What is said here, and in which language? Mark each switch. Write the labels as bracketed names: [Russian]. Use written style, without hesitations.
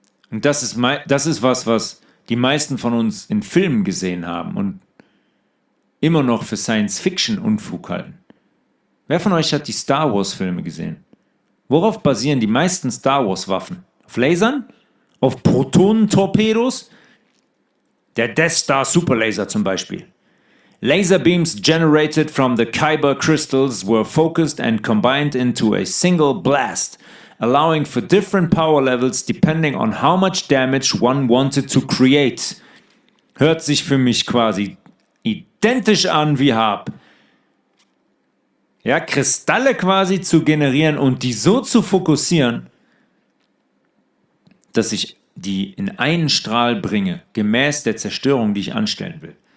[German] Und das ist was die meisten von uns in Filmen gesehen haben und immer noch für Science-Fiction-Unfug halten. Wer von euch hat die Star-Wars-Filme gesehen? Worauf basieren die meisten Star-Wars-Waffen? Auf Lasern? Auf Protonentorpedos? Der Death Star Superlaser zum Beispiel. [English] Laser beams generated from the Kyber crystals were focused and combined into a single blast, allowing for different power levels depending on how much damage one wanted to create. [German] Hört sich für mich quasi identisch an wie HAARP. Ja, Kristalle quasi zu generieren und die so zu fokussieren, dass ich die in einen Strahl bringe, gemäß der Zerstörung, die ich anstellen will.